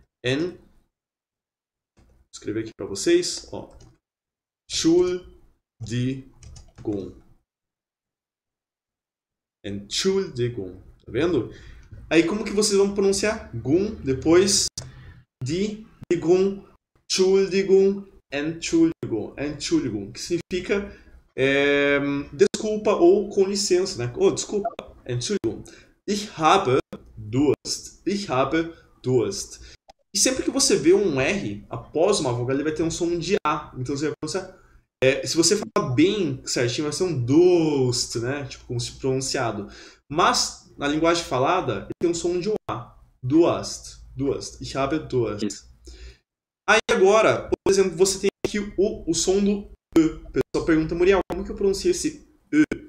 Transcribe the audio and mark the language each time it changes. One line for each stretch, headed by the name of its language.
Portuguese: En, escrever aqui para vocês, ó, chul de gum, en chul de gum, tá vendo? Aí como que vocês vão pronunciar gum depois de gum, chul de gum, en chul de gum, en chul de gum, que significa desculpa ou com licença, né? Oh, desculpa, en chul de gum.
German: Ich habe Durst, ich habe Durst.
Portuguese: E sempre que você vê um R após uma vogal, ele vai ter um som de A. Então você vai pronunciar. Se você falar bem certinho, vai ser um dust, né? Tipo, como se pronunciado. Mas, na linguagem falada, ele tem um som de um A. Duast. Duast.
German: Ich habe Durst.
Portuguese: Aí agora, por exemplo, você tem aqui o som do Ö. O pessoal pergunta, Muriel, como que eu pronuncio esse Ö?